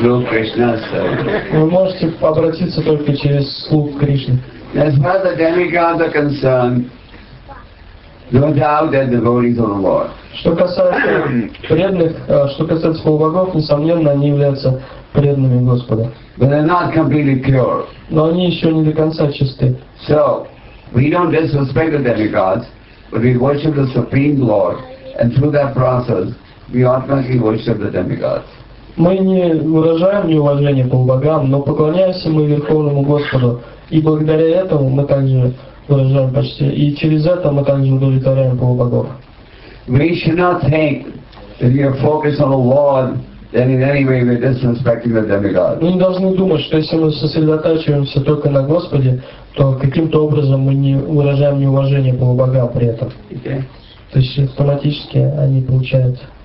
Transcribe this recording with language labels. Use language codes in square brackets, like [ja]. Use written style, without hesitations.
[ru] Вы можете обратиться только через слух Кришны. [en] As far as the demigods are concerned, no doubt that the devotees of the Lord. [ru] Что касается преданных, что касается полубогов, несомненно, они являются преданными Господа. [en] But they're not completely pure. [ru] Но они еще не до конца чисты. [en] So we don't disrespect the demigods, but we worship the Supreme Lord, and through that process. We automatically worship the demigods. [ru] Мы не выражаем неуважение полубогам, но поклоняемся мы Верховному Господу, и благодаря этому мы также выражаем почти, и через это мы также удовлетворяем полубогов. [en] We should not think that we are focused on the Lord, then in any way we are disrespecting the demigods. [ru] Мы не должны думать, что если мы сосредотачиваемся только на Господе, то каким-то образом мы не выражаем неуважение полубогам при этом. [en] Okay. [ru] То есть автоматически они получают.